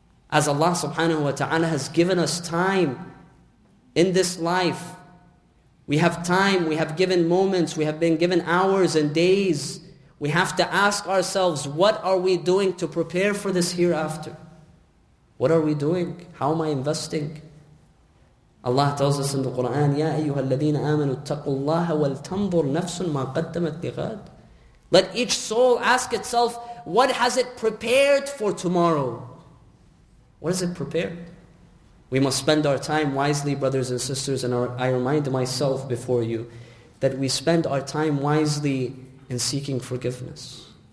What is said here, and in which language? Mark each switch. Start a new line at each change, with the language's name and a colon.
English: As Allah subhanahu wa ta'ala has given us time in this life, we have time, we have given moments, we have been given hours and days. We have to ask ourselves, what are we doing to prepare for this hereafter? What are we doing? How am I investing?
Arabic: Allah tells us in the Quran, يَا أَيُّهَا الَّذِينَ آمَنُوا اتَّقُوا اللَّهَ وَالْتَنْظُرْ نَفْسٌ مَا قَدَّمَتْ لِغَدْ.
English: Let each soul ask itself, what has it prepared for tomorrow? What is it prepared? We must spend our time wisely, brothers and sisters, and I remind myself before you that we spend our time wisely in seeking forgiveness.